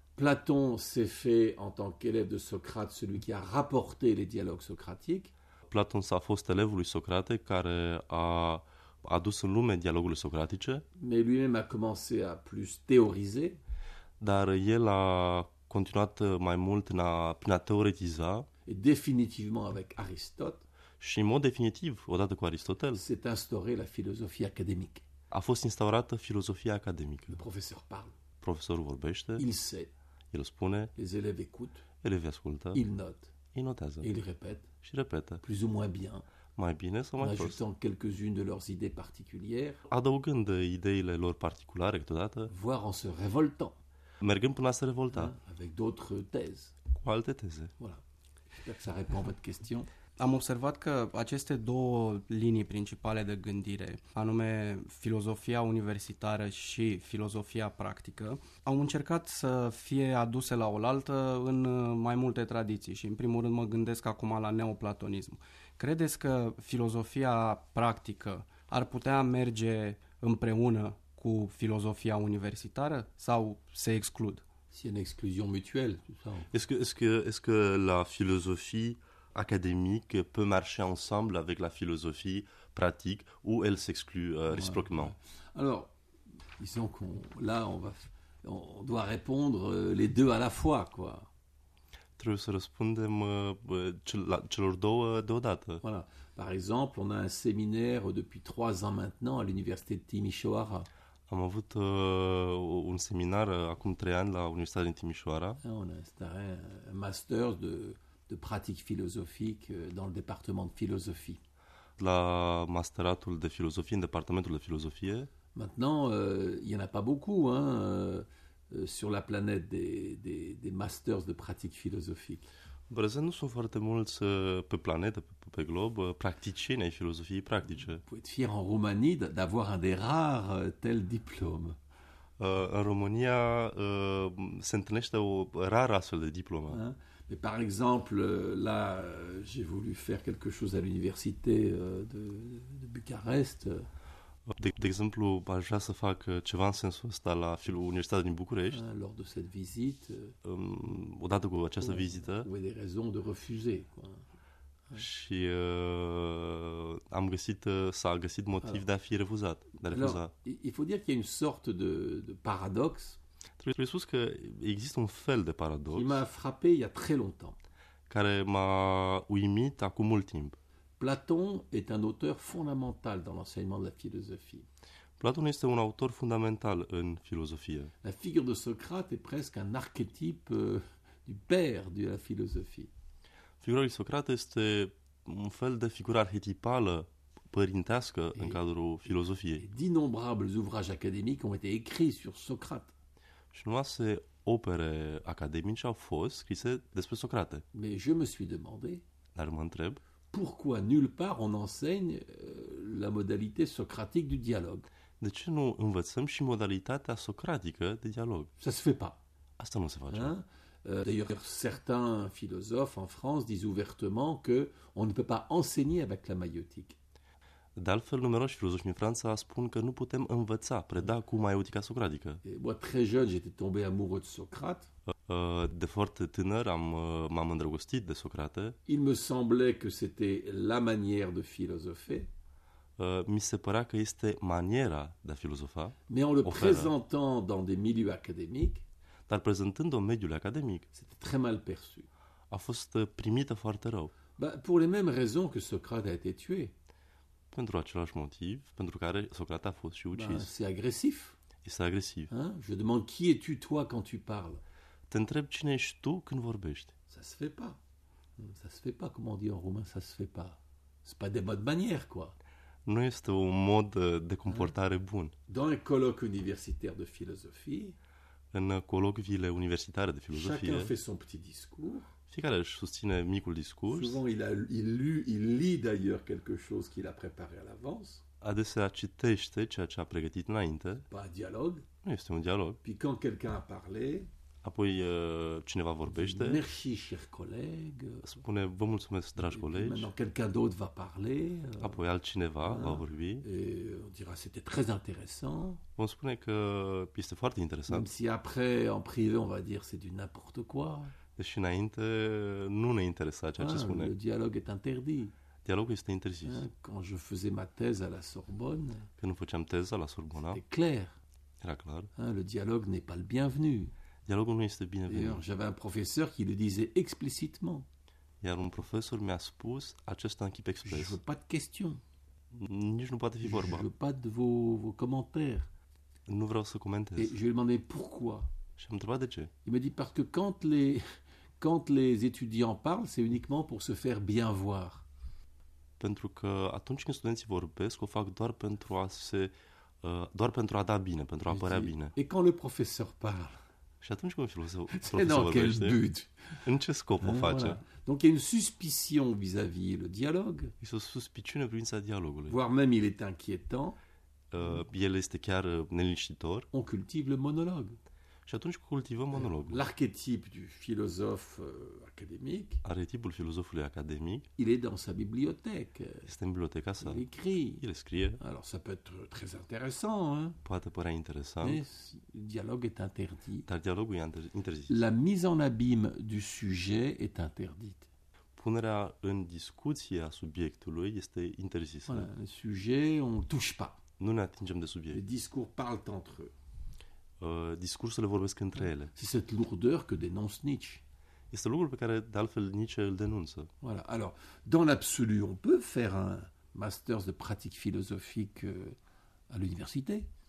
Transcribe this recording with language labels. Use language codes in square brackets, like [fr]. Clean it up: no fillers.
[fr] Platon s'est fait en tant qu'élève de Socrate celui qui a rapporté les dialogues socratiques. [ro] Platon s-a fost elevul lui Socrate care a adus în lume dialogurile socratice. [fr] Mais lui-même a commencé à plus théoriser. [ro] Dar el a continuat mai mult prin a teoretiza. [fr] Et définitivement avec Aristote. [ro] Și în mod definitiv, odată cu Aristotel. [fr] S'est instaurée la philosophie académique. [ro] A fost instaurată filozofia academică. [fr] Le professeur parle. [ro] Profesorul vorbește. [fr] Il sait. [ro] El spune. [fr] Les élèves écoutent. [ro] Elevii ascultă. [fr] Il note. [ro] Ei notează. [fr] Il répète. [ro] Și repetă. [fr] Plus ou moins bien. [ro] Mai bine sau mai prost. [fr] Ajustant quelques-unes de leurs idées particulières. [ro] Adăugând ideile lor particulare câteodată. [fr] Voire en se révoltant. [ro] Mergând până la se revolta. [fr] Avec d'autres thèses. [ro] Cu alte teze. [fr] Voilà. J'espère que ça répond à votre question. [ro] Am observat că aceste două linii principale de gândire, anume filozofia universitară și filozofia practică, au încercat să fie aduse la oaltă în mai multe tradiții. Și în primul rând mă gândesc acum la neoplatonism. Credeți că filozofia practică ar putea merge împreună cu filozofia universitară sau se exclud? [fr] C'est une exclusion mutuelle, tout ça. Est-ce que la philosophie académique peut marcher ensemble avec la philosophie pratique ou elle s'exclut réciproquement? Alors, disons qu'on là on va on doit répondre les deux à la fois quoi. [ro] Trebuie să răspundem celor două deodată. [fr] Voilà. Par exemple, on a un séminaire depuis 3 ans maintenant à l'université de Timișoara. [ro] Am avut un seminar acum 3 ani la Universitatea din Timișoara. [fr] On a instauré un master de pratique philosophique dans le département de philosophie. [ro] La masteratul de filozofie în departamentul de filozofie. [fr] Maintenant, il n'y en a pas beaucoup, hein, sur la planète des masters de pratique philosophique. [ro] În prezent nu sunt foarte mulți pe planetă, pe glob, practicieni ai filozofiei practice. [fr] Vous êtes fier en Roumanie d'avoir un des rares tel diplôme. [ro] În România se întâlnește o rară astfel de diplomă. Hein? [fr] Mais par exemple, là, j'ai voulu faire quelque chose à l'université de Bucarest. [ro] De exemplu, aș vrea să fac ceva în sensul ăsta la Universitatea din București. [fr] Hein, lors de cette visite. [ro] Odată cu această vizită. [fr] Avec des raisons de refuser, quoi. [ro] Și s-a găsit motiv [fr] alors, [ro] de a fi refuzat. [fr] Il faut dire qu'il y a une sorte de paradoxe. [ro] Trebuie spus că există un fel de paradox. [fr] Qui m'a frappé il y a très longtemps. [ro] Care m-a uimit acum mult timp. [fr] Platon est un auteur fondamental dans l'enseignement de la philosophie. [ro] Platon este un autor fondamental în filozofie. [fr] La figure de Socrate est presque un archétype du père de la philosophie. [ro] Figura lui Socrate este un fel de figură arhetipală părintească în cadrul filozofiei. [fr] D'innombrables ouvrages académiques ont été écrits sur Socrate. [ro] Și numai opere academice au fost scrise despre Socrate. [fr] Mais je me suis demandé. [ro] Dar mă întreb. [fr] Pourquoi nulle part on enseigne la modalité socratique du dialogue? [ro] De ce nu învățăm și modalitatea socratică de dialog? [fr] Ça se fait pas. [ro] Asta nu se face. Hein? [fr] D'ailleurs, certains philosophes en France disent ouvertement que on ne peut pas enseigner avec la maïeutique. [ro] De altfel, numeroși filozofi în Franța spun că nu putem învăța, preda cu maieutica socratică. [fr] Moi, très jeune, j'étais tombé amoureux de Socrate. [ro] De foarte tânăr m-am îndrăgostit de Socrate. [fr] Il me semblait que c'était la manière de philosopher. [ro] Mi se părea că este maniera de a filozofa. [fr] Mais en le présentant dans des milieux académiques. [ro] Dar prezentând-o în mediul academic. [fr] C'était très mal perçu. [ro] A fost primită foarte rău. [fr] Bah, pour les mêmes raisons que Socrate a été tué. [ro] Pentru același motiv pentru care Socrate a fost și ucis. [fr] Bah, c'est agressif. [ro] Este agresiv. Hein? [fr] Je demande qui es-tu toi quand tu parles? [ro] Te întreb cine ești tu când vorbești. [fr] Ça se fait pas. Ça se fait pas, comme on dit en roumain, ça se fait pas. C'est pas des modes manières, quoi. [ro] Nu este un mod de comportare bun. [fr] Dans un colloque universitaire de philosophie. [ro] În colocviile universitare de filozofie. [fr] Chacun fait son petit discours. [ro] Fiecare își susține micul discurs. [fr] Souvent il lit d'ailleurs quelque chose qu'il a préparé à l'avance. [ro] Adesea citește ceea ce a pregătit înainte. [fr] Pas un dialogue. [ro] Nu este un dialog. [fr] Puis quand quelqu'un a parlé. [ro] Apoi cineva vorbește. [fr] Merci, cher collègue. [ro] Spune, vă mulțumesc, dragi colegi. [fr] Maintenant, quelqu'un d'autre va parler. [ro] Apoi altcineva va vorbi. [fr] Et on dira, c'était très intéressant. [ro] Vom spune că este foarte interesant. [fr] Même si après, en privé, on va dire, c'est du n'importe quoi. [ro] Deși înainte, nu ne interesa ceea ce spune. [fr] Le dialogue est interdit. [ro] Dialogul este interzis. [fr] Quand je faisais ma thèse à la Sorbonne. [ro] Când făceam teza la Sorbona. [fr] C'était clair. [ro] Era clar. [fr] Le dialogue n'est pas le bienvenu. [ro] Dialogul nu este binevenit. [fr] J'avais un professeur qui le disait explicitement. [ro] Iar un profesor mi-a spus acest în chip expres. [fr] Je veux pas de questions. [ro] Nici nu poate fi vorba. [fr] Je veux pas de vos commentaires. [ro] Nu vreau să comentez. [fr] Et je lui ai demandé pourquoi. [ro] Și am întrebat de ce. [fr] Il m'a dit parce que quand les étudiants parlent, c'est uniquement pour se faire bien voir. [ro] Pentru că atunci când studenții vorbesc, o fac doar pentru a se doar pentru a da bine, pentru a părea bine. [fr] Et quand le professeur parle. [ro] Și atunci cum filozoful vorbește? [fr] Dans quel but? [ro] În ce scop o face? [fr] Voilà. Donc il y a une suspicion vis-à-vis le dialogue. [ro] Este o suspiciune privința dialogului. [fr] Voire même il est inquiétant. [ro] El este chiar neliniștitor. [fr] On cultive le monologue. [ro] Și atunci cultivăm monologul. [fr] L'archétyp du philosophe académique. [ro] Arhetipul filozofului academic. [fr] Il est dans sa bibliothèque. [ro] Este în biblioteca sa. [fr] Il écrit. [ro] Il scrie. [fr] Alors ça peut être très intéressant, hein. [ro] Poate părea interesant. [fr] Mais le dialogue est interdit. [ro] Dar dialogul e interzis. [fr] La mise en abîme du sujet est interdite. [ro] Punerea în discuție a subiectului este interzisă. [fr] Voilà, le sujet on touche pas. [ro] Nu ne atingem de subiect. [fr] Les discours parlent entre eux. [ro] Discursurile vorbesc între ele. [fr] C'est cette lourdeur que dénonce Nietzsche. [ro] Este lucrul pe care de altfel Nietzsche îl denunță. [fr] Voilà. Alors, dans l'absolu, on peut faire un master de pratique philosophique à l'université.